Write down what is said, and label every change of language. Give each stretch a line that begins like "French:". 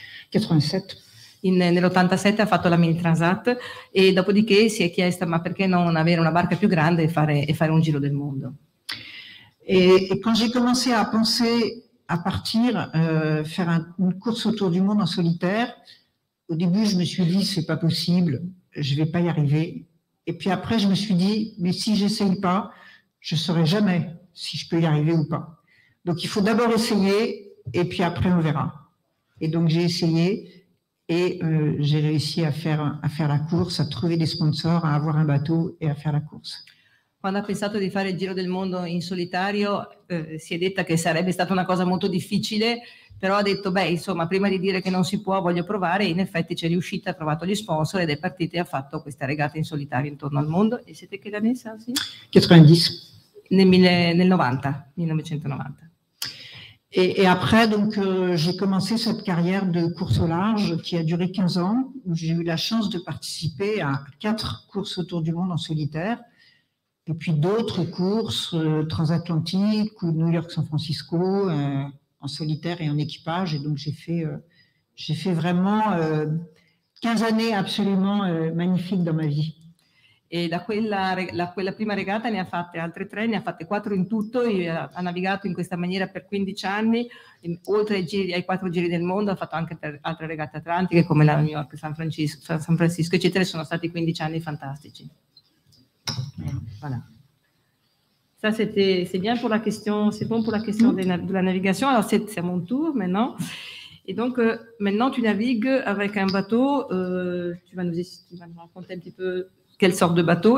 Italian: 87. Nell'87 ha fatto la Mini Transat e dopodiché si è chiesta ma perché non avere una barca più grande e fare un giro del mondo. E quando
French: j'ai commencé a penser a partir faire une course autour du monde en solitaire, au début je me suis dit c'est pas possible, je vais pas y arriver. E puis après je me suis dit mais si j'essaye pas, je saurai jamais si je peux y arriver ou pas. Donc il faut d'abord essayer et puis après on verra. Et donc j'ai essayé et j'ai réussi à faire la course, à trouver des sponsors, à avoir un bateau et à faire la course.
Italian: Quando ha pensato di fare il giro del mondo in solitario, si è detta che sarebbe stata una cosa molto difficile, però ha detto, beh, insomma, prima di dire che non si può, voglio provare, in effetti c'è riuscita, ha trovato gli sponsor ed è partita e ha fatto questa regata in solitario intorno al mondo. E siete che l'anno, sì? 90. Nel 1990.
French: Et après, donc, j'ai commencé cette carrière de course au large qui a duré 15 ans, où j'ai eu la chance de participer à 4 courses autour du monde en solitaire, et puis d'autres courses transatlantiques ou New York-San Francisco en solitaire et en équipage. Et donc, j'ai fait vraiment 15 années absolument magnifiques dans ma vie.
Italian: E da quella prima regata ne ha fatte altre 3, ne ha fatte 4 in tutto, e ha navigato in questa maniera per 15 anni, e oltre ai 4 giri del mondo ha fatto anche altre regate atlantiche come la New York, San Francisco, eccetera, sono stati 15 anni fantastici.
French: Voilà. Ça c'est bien pour la question, c'est bon pour la question de la navigation. Alors c'est mon tour maintenant. Et donc maintenant tu navigues avec un bateau, tu vas nous raconter un petit peu quelle sorte de bateau.